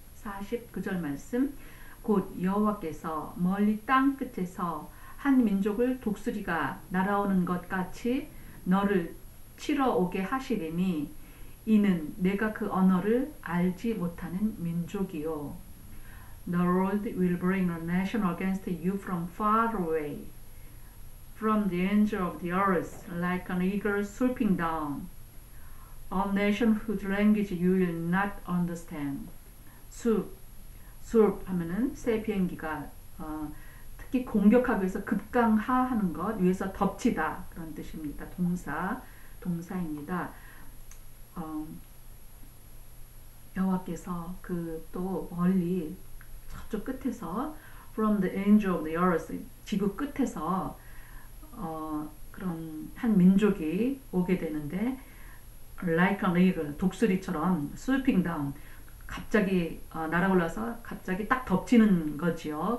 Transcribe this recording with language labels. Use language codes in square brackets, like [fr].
[ko] 49절 말씀 곧 여호와께서 멀리 땅끝에서 한 민족을 독수리가 날아오는 것 같이 너를 치러 오게 하시리니 이는 내가 그 언어를 알지 못하는 민족이요 [en] The Lord will bring a nation against you from far away, from the ends of the earth, like an eagle swooping down. A nation whose language you will not understand. [ko] 수업 하면은 새 비행기가 특히 공격하기 위해서 급강하하는 것 위해서 덮치다 그런 뜻입니다. 동사입니다. 여호와께서 그또 멀리 저쪽 끝에서 [en] from the end of the earth [ko] 지구 끝에서 그런 한 민족이 오게 되는데 [en] like an eagle [ko] 독수리처럼 [en] swooping down [ko] 갑자기 날아올라서 갑자기 딱 덮치는 거지요.